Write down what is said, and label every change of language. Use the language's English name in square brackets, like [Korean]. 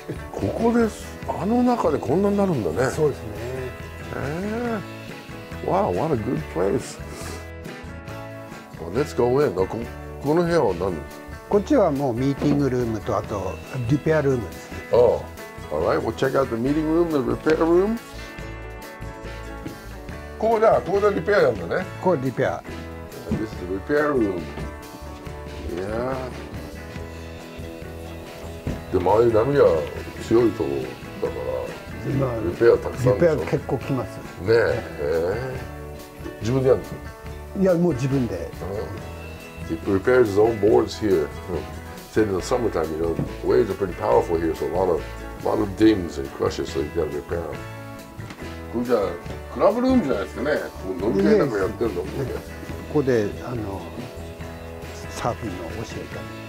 [Japanese] ここです。あの中でこんなになるんだね。そうですね。 [English] わあ、what a good place。Let's go in. [Japanese] この部屋は何？こっちはもうミーティングルームと、あとリペアルームですね。 [English] Oh, all right. We'll check out the meeting room, the repair room. [Japanese] ここだ。ここでリペアやるんだね。ここリペア。 [English] And this is the repair room. Yeah. [Japanese] でも周り波が強いところだから、リペアたくさん。リペア結構来ます。ねえ。自分でやるんですか？いや、もう自分で。 [English] He repairs his own boards here. Said in the summertime, you know, the waves are pretty powerful here, so a lot of dings and crushes, so you gotta repair them. [Japanese] これじゃあクラブルームじゃないですかね。ここ飲み会なんかやってるの。ここでサーフィンの教えた。